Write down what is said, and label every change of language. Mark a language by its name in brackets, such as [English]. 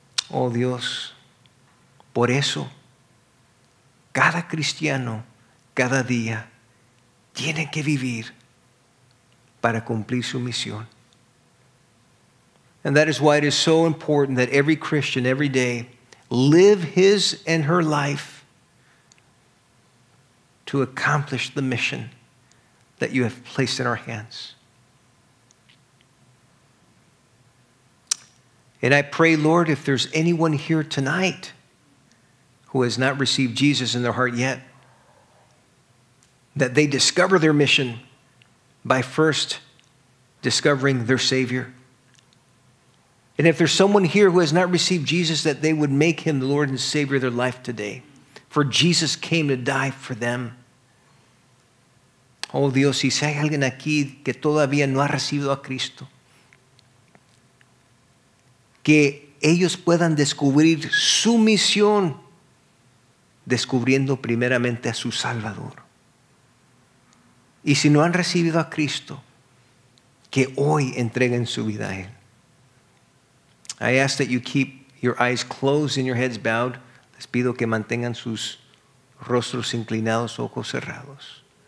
[Spanish] Oh Dios, por eso cada cristiano, cada día, tiene que vivir para cumplir su misión. [English] And that is why it is so important that every Christian, every day, live his and her life to accomplish the mission that you have placed in our hands. And I pray, Lord, if there's anyone here tonight who has not received Jesus in their heart yet, that they discover their mission by first discovering their Savior. And if there's someone here who has not received Jesus, that they would make him the Lord and Savior of their life today. For Jesus came to die for them. [Spanish] Oh Dios, si hay alguien aquí que todavía no ha recibido a Cristo, que ellos puedan descubrir su misión descubriendo primeramente a su Salvador. Y si no han recibido a Cristo, que hoy entreguen su vida a Él. [English] I ask that you keep your eyes closed and your heads bowed. [Spanish] Les pido que mantengan sus rostros inclinados, ojos cerrados.